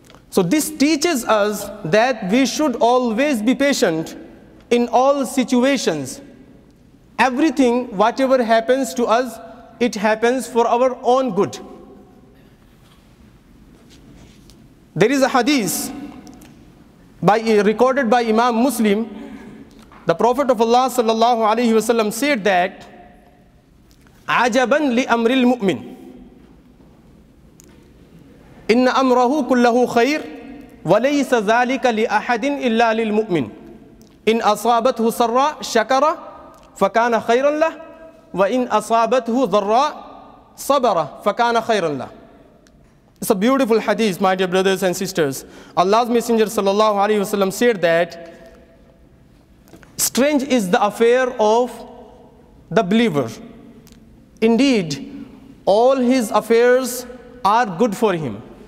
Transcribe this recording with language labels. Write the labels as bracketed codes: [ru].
[en] So this teaches us that we should always be patient in all situations. Everything, whatever happens to us, it happens for our own good. There is a hadith recorded by Imam Muslim. The Prophet of Allah sallallahu alaihi wasallam said that [ar] عجبًا لأمر المؤمن إن أمره كله خير وليس ذلك لأحد إلا للمؤمن إن أصابته سراء شكر فكان خيرا له وإن أصابته ضراء صبر فكان خيرا له. [en] It's a beautiful hadith, my dear brothers and sisters. Allah's Messenger sallallahu alaihi wasallam said that strange is the affair of the believer. Indeed, all his affairs are good for him.